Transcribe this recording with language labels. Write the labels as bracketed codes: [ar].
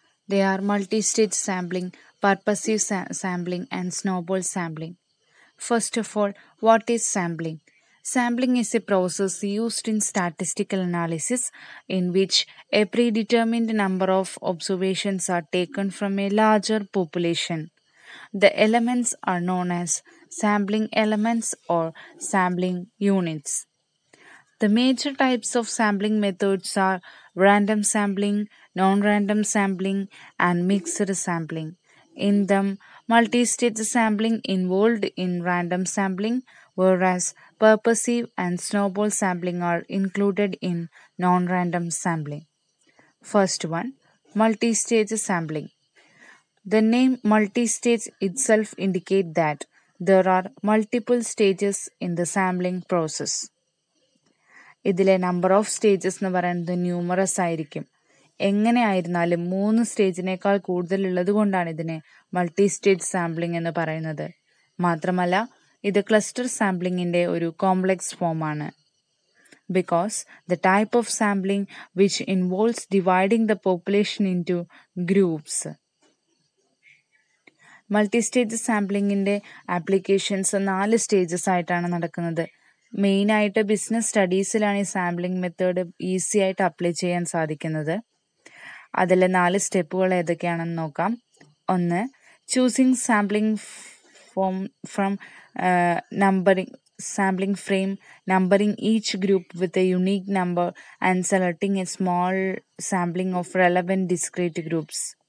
[en] They are multistage sampling, purposive sampling and snowball sampling. First of all, what is sampling? Sampling is a process used in statistical analysis in which a predetermined number of observations are taken from a larger population. The elements are known as sampling elements or sampling units. The major types of sampling methods are random sampling, non-random sampling, and mixed sampling. In them, multi-stage sampling involved in random sampling, whereas purposive and snowball sampling are included in non-random sampling. First one, multi-stage sampling. The name multistage itself indicate that there are multiple stages in the sampling process. [ml] ഇതിലെ number of stages എന്ന് പറയുന്നത് numerous ആയിരിക്കും. എങ്ങനെ ആയിരുന്നാലും 3 stages കൂടുതലുള്ളത് കൊണ്ടാണ് ഇതിനെ multistage sampling എന്ന് പറയുന്നത്. മാത്രമല്ല ഇത് ക്ലസ്റ്റർ സാമ്പിളിങ്ങിൻ്റെ ഒരു കോംപ്ലക്സ് ഫോമാണ്. [en] Because the type of sampling which involves dividing the population into groups. [ml] Multistage സാമ്പിളിങ്ങിൻ്റെ applications 4 stages ആയിട്ടാണ് നടക്കുന്നത്. മെയിനായിട്ട് ബിസിനസ് സ്റ്റഡീസിലാണ് ഈ സാമ്പിളിംഗ് മെത്തേഡ് ഈസി ആയിട്ട് അപ്ലൈ ചെയ്യാൻ സാധിക്കുന്നത്. അതിലെ 4 steps ഏതൊക്കെയാണെന്ന് നോക്കാം. [en] 1, choosing sampling form from numbering sampling frame, numbering each group with a unique number and selecting a small sampling of relevant discrete groups.